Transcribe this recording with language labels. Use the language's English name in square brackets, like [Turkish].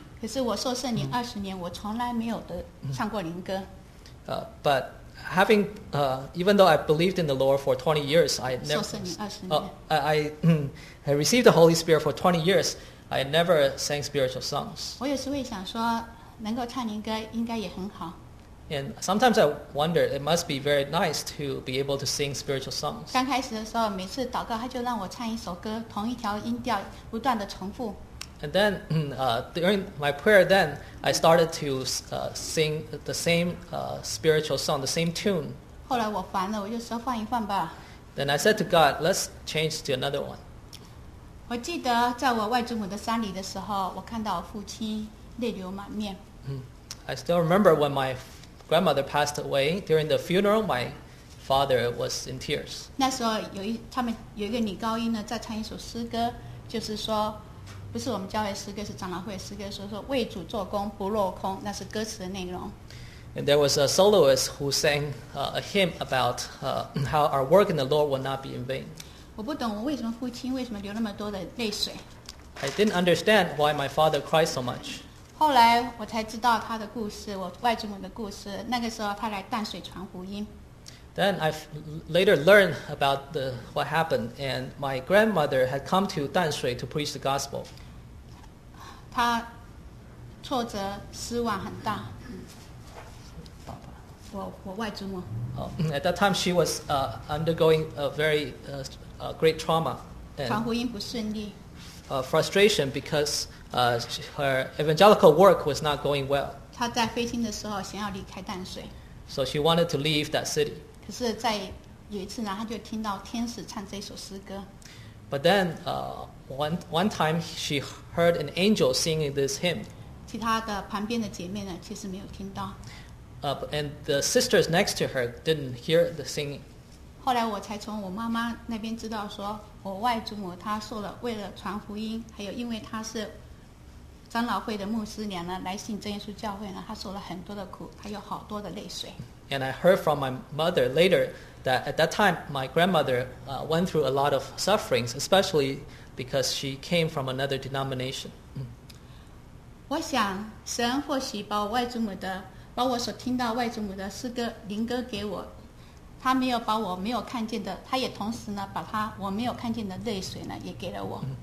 [Chinese] 可是我受圣灵二十年，我从来没有的唱过灵歌。 [English] But having, even though I believed in the Lord for 20 years, I never [Chinese] 受圣灵二十年。 [English] I received the Holy Spirit for 20 years. I never sang spiritual songs. [Chinese] 我有时会想说，能够唱灵歌应该也很好。 [English] And sometimes I wonder, it must be very nice to be able to sing spiritual songs. [Chinese] 刚开始的时候，每次祷告，他就让我唱一首歌，同一条音调，不断的重复。 [English] And then during my prayer, then I started to sing the same spiritual song, the same tune. [Chinese] 后来我烦了，我就说换一换吧。 [English] Then I said to God, let's change to another one. [Chinese] 我记得在我外祖母的山里的时候，我看到我父亲泪流满面。 [English] I still remember when my grandmother passed away during the funeral. My father was in tears. [Chinese] 那时候有一个女高音呢，在唱一首诗歌，就是说。不是我们教会诗歌，是长老会诗歌。说为主做工不落空，那是歌词的内容。 [English] And there was a soloist who sang a hymn about how our work in the Lord will not be in vain. [Chinese] 我不懂我为什么父亲为什么流那么多的泪水。 [English] I didn't understand why my father cried so much. [Chinese] 后来我才知道他的故事，我外祖母的故事。那个时候他来淡水传福音。 [English] Then I later learned about what happened, and my grandmother had come to Danshui to preach the gospel. [Chinese] 她挫折失望很大。爸爸。我外祖母。 [English] At that time, she was undergoing a very great trauma. [Chinese] 传福音不顺利。 [English] Frustration because her evangelical work was not going well. [Chinese] 她在飞行的时候想要离开淡水。 [English] So she wanted to leave that city. [Chinese] 可是在有一次呢，他就听到天使唱这首诗歌。 [English] But then, one time she heard an angel singing this hymn. [Chinese] 其他的旁边的姐妹呢，其实没有听到。 [English] And the sisters next to her didn't hear the singing. [Chinese] 后来我才从我妈妈那边知道说，我外祖母她受了为了传福音，还有因为她是长老会的牧师娘呢，来信真耶稣教会呢，她受了很多的苦，她有好多的泪水。 [English] And I heard from my mother later that at that time, my grandmother went through a lot of sufferings, especially because she came from another denomination. [Chinese] 我想神或许把我所听到外祖母的诗歌灵歌给我，他没有把我没有看见的，他也同时呢把他我没有看见的泪水呢也给了我。